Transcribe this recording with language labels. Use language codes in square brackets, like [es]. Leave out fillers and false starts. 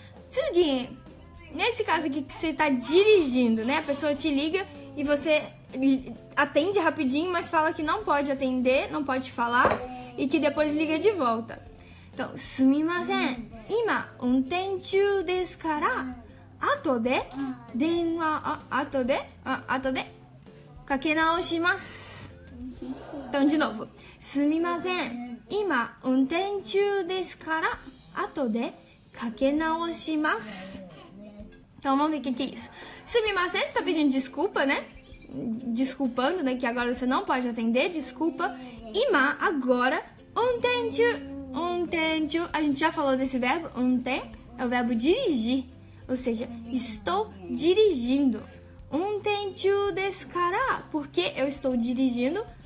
[pt] Tsugi. Nesse caso aqui que você está dirigindo, né? A pessoa te liga e você atende rapidinho, mas fala que não pode atender, não pode falar e que depois liga de volta. Então, sumimasen. [ja] 今運転中ですから、うん、後で、うん、電話あ後で、あ後でかけ直します。大丈夫。すみません。今運転中ですから後でかけ直します。 [pt] Então vamos ver o que, que é isso. Sumimasen, você está pedindo desculpa, né? Desculpando, né? Que agora você não pode atender, desculpa. Ima, agora, untenju. Untenju, a gente já falou desse verbo, unten, é o verbo dirigir. Ou seja, estou dirigindo. [ja] Untenju desu kara, [pt] porque eu estou dirigindo.